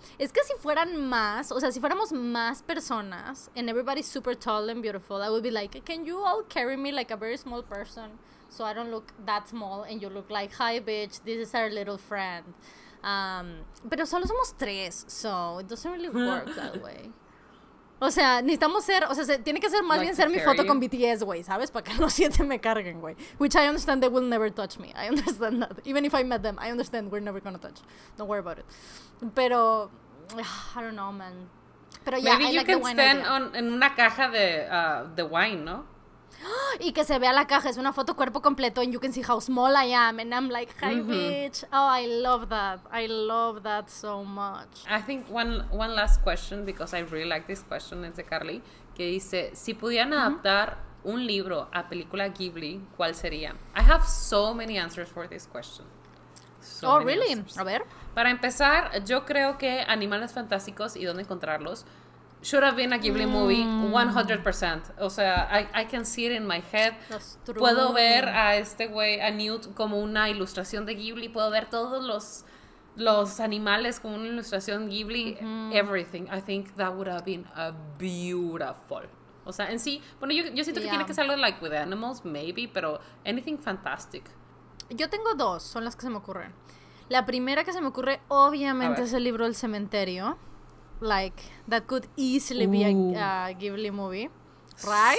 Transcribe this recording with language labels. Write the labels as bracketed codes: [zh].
[es] Es que si fueran más, o sea, si fuéramos más personas [en] and everybody's super tall and beautiful, I would be like, can you all carry me like a very small person so I don't look that small and you look like, hi, bitch, this is our little friend. [es] Pero solo somos tres, [en] so it doesn't really work that way. [es] O sea, necesitamos ser, o sea, tiene que ser más like bien ser mi foto con BTS, güey, ¿sabes? Para que los siete me carguen, güey. [en] Which I understand they will never touch me. I understand that. Even if I met them, I understand we're never gonna touch. Don't worry about it. Pero, I don't know, man. [es] Pero ya, [en] maybe I you like can stand on, [es] en una caja de wine, ¿no? Y que se vea la caja, es una foto cuerpo completo [en] and you can see how small I am and I'm like, hi, mm-hmm. bitch. Oh, I love that so much. I think one last question, because I really like this question, [es] es de Carly, que dice, si pudieran [en] mm-hmm. [es] adaptar un libro a película Ghibli, ¿cuál sería? [en] I have so many answers for this question. So oh, really? Answers. A ver. [es] Para empezar, yo creo que Animales Fantásticos y Dónde Encontrarlos [en] should have been a Ghibli movie, 100%. [es] O sea, [en] I can see it in my head. [es] Puedo ver a este güey, a Newt, como una ilustración de Ghibli. Puedo ver todos los animales como una ilustración Ghibli. [en] Mm-hmm. Everything. I think that would have been a beautiful. [es] O sea, en sí, bueno, yo siento [en] yeah. [es] que tiene que ser algo [en] like with animals, maybe, [es] pero [en] anything fantastic. [es] Yo tengo dos, son las que se me ocurren. La primera que se me ocurre, obviamente, es el libro El Cementerio. [en] Like, that could easily be a Ghibli movie, right?